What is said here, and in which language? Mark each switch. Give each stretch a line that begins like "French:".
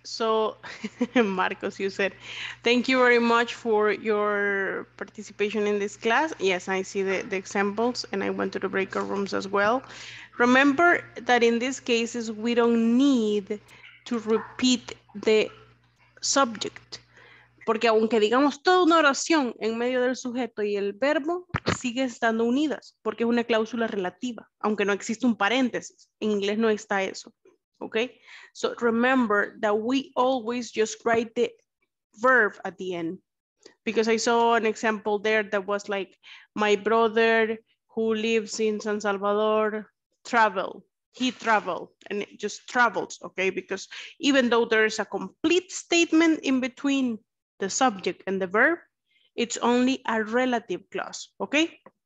English: So, Marcos, you said, thank you very much for your participation in this class. Yes, I see the examples, and I went to the breakout rooms as well. Remember that in these cases, we don't need to repeat the subject.
Spanish: Porque aunque digamos toda una oración en medio del sujeto y el verbo, sigue estando unidas, porque es una cláusula relativa, aunque no existe un paréntesis. En inglés no está eso. Okay?
English: So remember that we always just write the verb at the end. Because I saw an example there that was like, my brother who lives in San Salvador travel. He traveled, and it just travels, okay? Because even though there is a complete statement in between the subject and the verb, it's only a relative clause, okay?